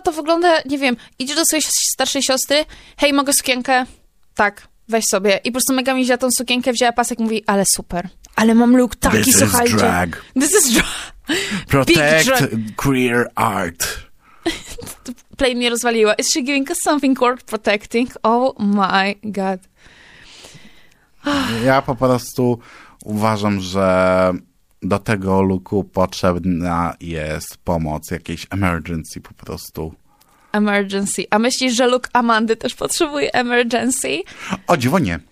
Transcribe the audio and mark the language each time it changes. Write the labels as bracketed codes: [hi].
[pl] To wygląda, nie wiem, idziesz do swojej starszej siostry. Hej, mogę sukienkę? Tak. Weź sobie. I po prostu mega mi wzięła tą sukienkę, wzięła pasek i mówi, ale super. Ale mam look taki, [en] this [pl] słuchajcie. [en] This is drag. This is drag. Protect queer art. [pl] The plane mnie rozwaliła. [en] Is she giving us something worth protecting? Oh my god. [pl] Ja po prostu uważam, że do tego luku potrzebna jest pomoc, jakiejś emergency po prostu. [en] Emergency. [pl] A myślisz, że luk Amandy też potrzebuje emergency? O dziwo nie.